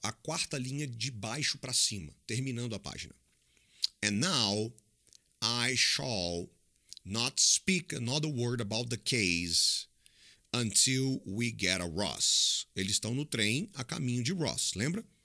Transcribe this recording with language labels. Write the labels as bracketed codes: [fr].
[pt] A quarta linha de baixo para cima, terminando a página. [en] And now, I shall not speak another word about the case until we get a Ross. [pt] Eles estão no trem a caminho de Ross, lembra?